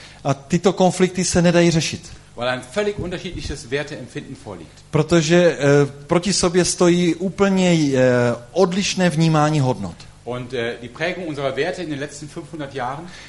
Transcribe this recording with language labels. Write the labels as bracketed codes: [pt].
[cs] A tyto konflikty se nedají řešit. [de] Weil ein völlig unterschiedliches Werteempfinden vorliegt. [cs] Protože proti sobě stojí úplně odlišné vnímání hodnot. [de] Und die Prägung unserer Werte in den letzten 500 Jahren.